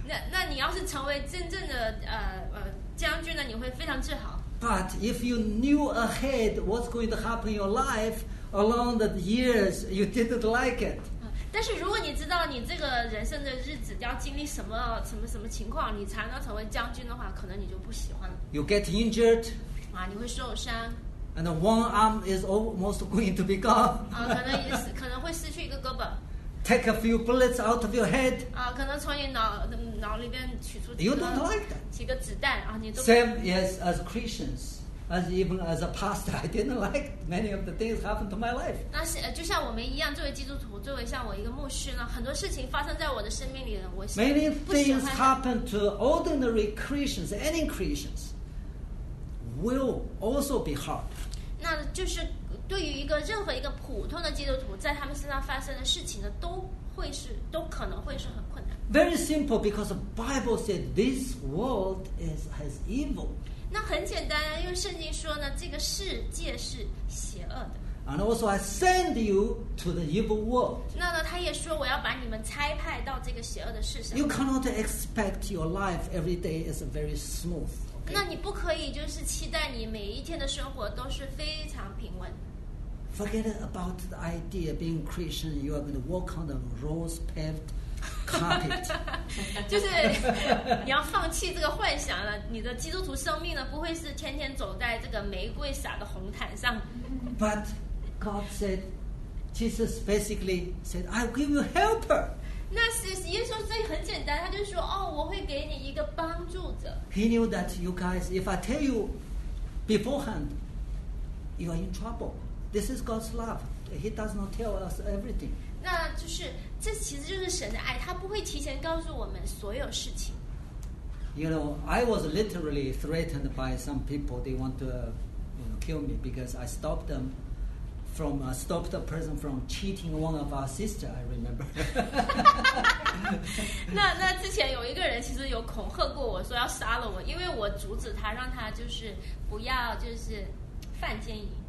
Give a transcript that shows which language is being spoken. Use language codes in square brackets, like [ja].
[zh] 那你要是成为真正的将军呢，你会非常自豪。 [en] But if you knew ahead what's going to happen in your life along the years, you didn't like it. [zh] 但是如果你知道你这个人生的日子要经历什么什么什么情况，你才能成为将军的话，可能你就不喜欢了。 [en] You get injured. [zh] 啊，你会受伤。 [en] And one arm is almost going to be gone. [zh] 可能会失去一个胳膊。 [en] Take a few bullets out of your head. [zh] 可能从你脑里边取出几个。 [en] You don't like that. [zh] 几个子弹啊，你都。 [en] Same yes as Christians, as even as a pastor, I didn't like many of the things happened to my life. [zh] 那是就像我们一样，作为基督徒，作为像我一个牧师呢，很多事情发生在我的生命里，我。 [en] Many things happen to ordinary Christians, any Christians, will also be hard. [zh] 那就是。对于一个任何一个普通的基督徒，在他们身上发生的事情呢，都可能会是很困难。 [en] Very simple, because the Bible said this world has evil. [zh] 那很简单，因为圣经说呢，这个世界是邪恶的。 [en] And also, I send you to the evil world. [zh] 那呢，他也说我要把你们差派到这个邪恶的世上。 [en] You cannot expect your life every day is very smooth. [zh] 那你不可以就是期待你每一天的生活都是非常平稳。 [en] Forget about the idea of being Christian. You are going to walk on the rose paved carpet. [zh] 就是你要放弃这个幻想了。你的基督徒生命呢，不会是天天走在这个玫瑰撒的红毯上。 [en] But God said, Jesus basically said, "I will give you a helper." [zh] 那是耶稣说很简单，他就说哦，我会给你一个帮助者。 [en] He knew that you guys, if I tell you beforehand, you are in trouble. This is God's love. He does not tell us everything. [zh] 那就是这其实就是神的爱，他不会提前告诉我们所有事情。 [en] You know, I was literally threatened by some people. They want to, you know, kill me because I stopped them from stopped the person from cheating one of our sister. I remember. [zh] 那之前有一个人其实有恐吓过我说要杀了我，因为我阻止他，让他就是不要就是犯奸淫。